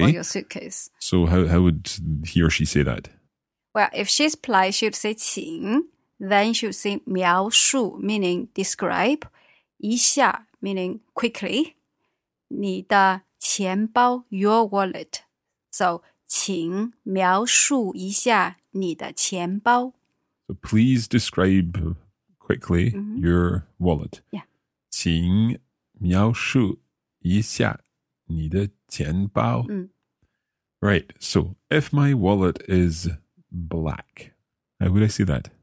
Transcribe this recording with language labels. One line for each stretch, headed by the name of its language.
English: Or your suitcase. So how would he or she say that? Well, if she's polite, she'd say 请, then she'd say 描述, meaning describe, 一下, meaning quickly,
Chinese: 你的钱包,
English: your wallet. So,
Chinese: 请描述一下你的钱包。
English: So please describe quickly your wallet. Yeah.
Chinese: 请描述一下你的钱包。
English: Right. So if my wallet is black, how would I say that?